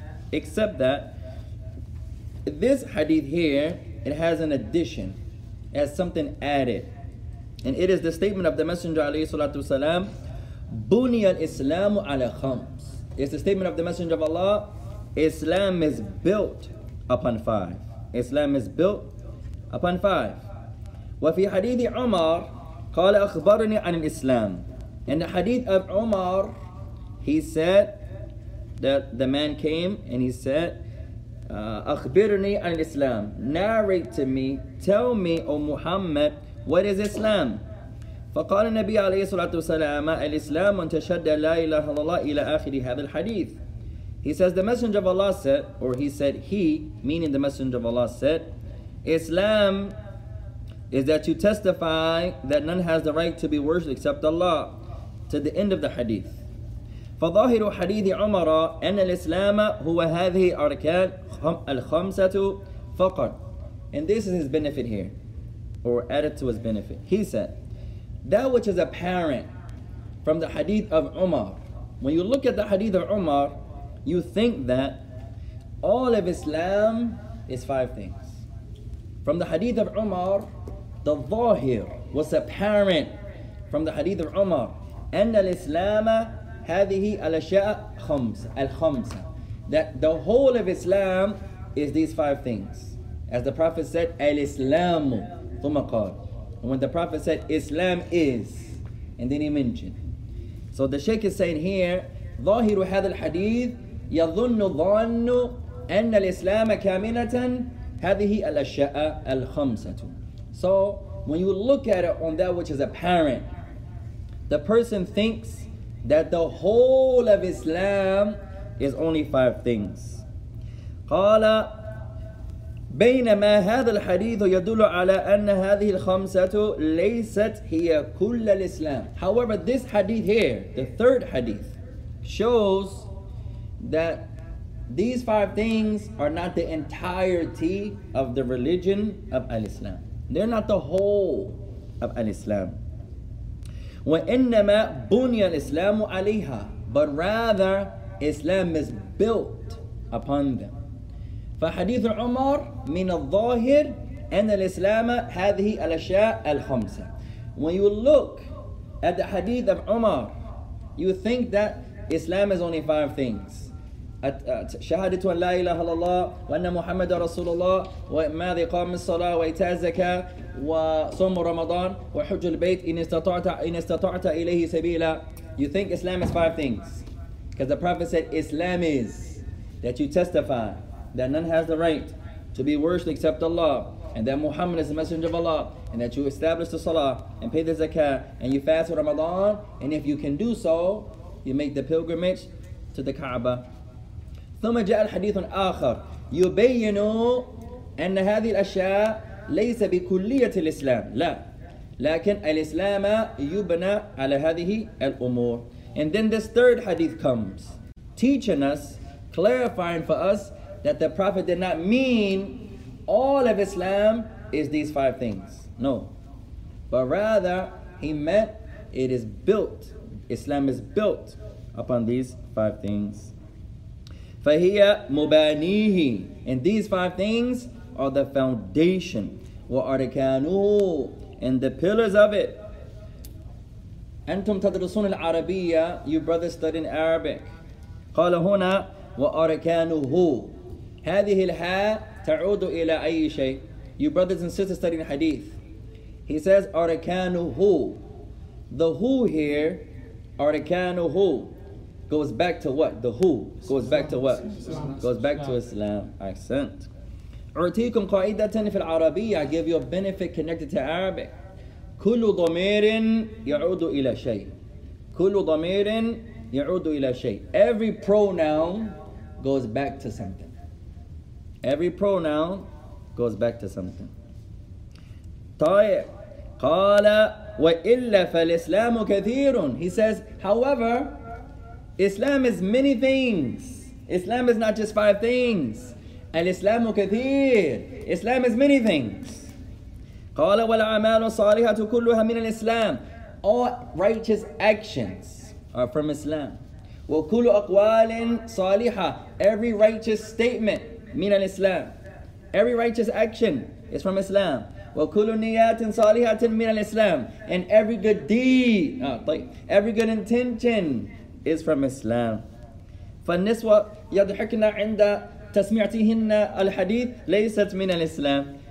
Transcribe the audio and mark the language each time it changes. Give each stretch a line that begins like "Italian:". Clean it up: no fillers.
English: Except that, this hadith here, it has an addition, it has something added. And it is the statement of the Messenger
Arabic: عليه الصلاة والسلام, بني الإسلام على خمس.
English: It's the statement of the Messenger of Allah, Islam is built upon five. Islam is built upon five.
Arabic: وفي حديث عمر قال أخبرني عن الإسلام.
English: In the hadith of Umar, he said that the man came and he said,
Arabic: أخبرني عن الإسلام.
English: Narrate to me, tell me, O Muhammad, what is Islam?
Arabic: فقال النبي عليه الصلاة والسلام الإسلام من تشهد لا إله إلا الله إلى آخر هذا الحديث.
English: He says the Messenger of Allah said, or he said he, meaning the Messenger of Allah said, Islam is that you testify that none has the right to be worshipped except Allah, to the end of the hadith.
Arabic: فظاهر حديث عمر أن الإسلام هو هذه أركان الخمسة فقط.
English: And this is his benefit here, or added to his benefit. He said, that which is apparent from the hadith of Umar, when you look at the hadith of Umar, you think that all of Islam is five things. From the hadith of Umar, the zahir, what's apparent from the hadith of Umar,
Arabic: أن الإسلام هذه الأشياء خمس الخمسة,
English: that the whole of Islam is these five things. As the Prophet said,
Arabic: الإسلام ثم قال.
English: When the Prophet said, Islam is, and then he mentioned. So the Shaykh is saying here,
Arabic: ظاهر هذا الحديث يظن ظن أن الإسلام كاملة هذه الأشياء الخمسة.
English: So when you look at it on that which is apparent, the person thinks that the whole of Islam is only five things.
Arabic: قال بينما هذا الحديث يدل على أن هذه الخمسة ليست هي كل الإسلام.
English: However, this hadith here, the third hadith, shows that these five things are not the entirety of the religion of Al-Islam. They're not the whole of Al-Islam.
Arabic: وإنما بني الإسلام عليها,
English: but rather Islam is built upon them.
Arabic: فحديث عمر من الظاهر أن الإسلام هذه الأشياء الخمسة.
English: When you look at the hadith of Umar, you think that Islam is only five things.
Arabic: شهادة أن لا إله إلا الله وأن محمد رسول الله وما إقام الصلاة وإيتاء الزكاة وصوم رمضان وحج البيت إن استطعت إليه سبيلا.
English: You think Islam is five things. Because the Prophet said Islam is that you testify that none has the right to be worshipped except Allah, and that Muhammad is the Messenger of Allah, and that you establish the Salah and pay the Zakah and you fast for Ramadan, and if you can do so, you make the pilgrimage to the Kaaba.
Arabic: ثم جاء الحديث آخر يبين أن هذه الأشياء ليس بكلية الإسلام لا لكن الإسلام يبنى على هذه الأمور.
English: And then this third hadith comes teaching us, clarifying for us, that the Prophet did not mean all of Islam is these five things. No. But rather, he meant it is built. Islam is built upon these five things.
Arabic: فَهِيَ مُبَانِيهِ.
English: And these five things are the foundation.
Arabic: وَأَرْكَانُهُ.
English: And the pillars of it.
Arabic: أَنْتُمْ تَدْرُسُونَ الْعَرَبِيَّةِ.
English: You brothers study in Arabic.
Arabic: قَالَ هُنَا وَأَرْكَانُهُ. هذه الحاء تعود إلى أي شيء.
English: You brothers and sisters studying hadith. He says,
Arabic: أركانهُ.
English: The who here,
Arabic: أركانهُ,
English: goes back to what? The who goes back to what? Goes back to Islam. Accent.
Arabic: أعطيكم قاعدة في العربية.
English: I give you a benefit connected to Arabic.
Arabic: كل ضمير يعود إلى شيء. كل ضمير يعود إلى شيء.
English: Every pronoun goes back to something. Every pronoun goes back to something.
Arabic: طيب قال وإلا فالإسلام كثير.
English: He says, however, Islam is many things. Islam is not just five things.
Arabic: الإسلام كثير.
English: Islam is many things.
Arabic: قال والأعمال الصالحة كلها من الإسلام.
English: All righteous actions are from Islam.
Arabic: وكل أقوال صالحة.
English: Every righteous statement.
Arabic: من الإسلام.
English: Every righteous action is from Islam.
Arabic: وكل نيات صالحة من الإسلام.
English: And every good deed, every good intention is from Islam.
Arabic: فالنسوة يضحكنا عند تسمعتهن الحديث ليست من الإسلام.